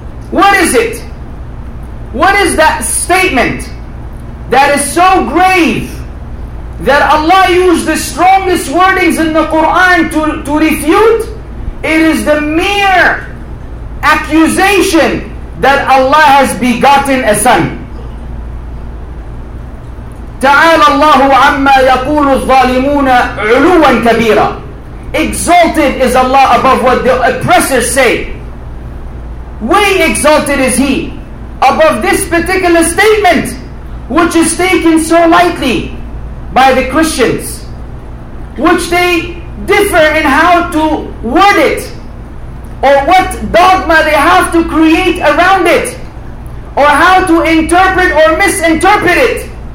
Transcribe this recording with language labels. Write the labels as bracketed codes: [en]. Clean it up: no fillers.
[en] What is it? What is that statement that is so grave that Allah used the strongest wordings in the Quran to refute? It is the mere accusation that Allah has begotten a son. [ar] تعالى الله عما يقول الظالمون علوا كبيرا. [en] Exalted is Allah above what the oppressors say. Way exalted is He above this particular statement, which is taken so lightly by the Christians, which they differ in how to word it, or what dogma they have to create around it, or how to interpret or misinterpret it.